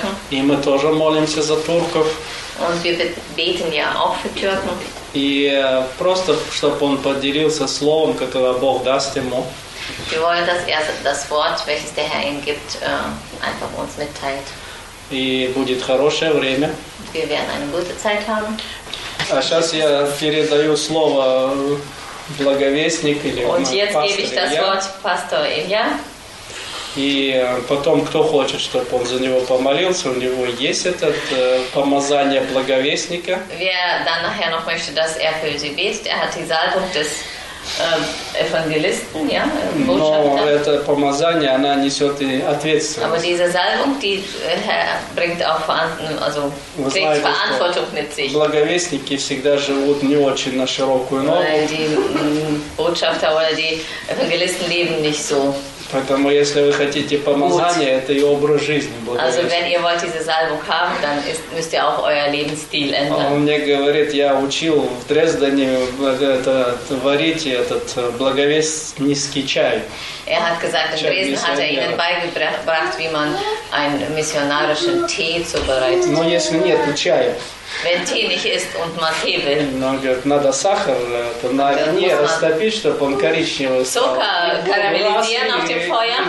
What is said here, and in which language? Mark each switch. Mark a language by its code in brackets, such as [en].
[ru] И мы тоже молимся за турков. [de] Und wir beten ja auch für Türken. [ru] И просто, чтобы он поделился словом, которое Бог даст ему. [de] Wir wollen, dass er das Wort, welches der Herr ihm gibt, einfach uns mitteilt. [ru] И будет хорошее время. [de] Wir werden eine gute Zeit haben. [ru] А сейчас я передаю слово благовестник или пастор. [de] Und jetzt gebe ich das Wort Pastor Илья. [ru] И потом, кто хочет, чтобы он за него помолился, у него есть это помазание благовестника. [de] Wer dann nachher noch möchte, dass er für sie betet, er hat die Salbung des Evangelisten, ja, Botschafter. [ru] Но это помазание, она несет и ответственность. [de] Aber diese Salbung, die bringt auch Verantwortung mit sich. [ru] Благовестники всегда живут не очень на широкую ногу. [de] Weil die Botschafter oder die Evangelisten leben nicht so. [ru] Поэтому, если вы хотите помазания, это и образ жизни. [de] Also, wenn ihr wollt diese Salbung haben, dann müsst ihr auch euer Lebensstil ändern. [ru] Он мне говорит, я учил в Дрездене варить этот благовестнический чай. [de] Er hat gesagt, in Dresden hat er ihnen beigebracht, wie man einen missionarischen Tee zubereitet. [ru] Но если нет, то чай. [de] Wenn Tee nicht ist und man Tee will. [ru] Но он говорит, надо сахар, то на огне растопить, чтобы он коричневый стал. Сока карамелизиан [de] auf dem Feuer.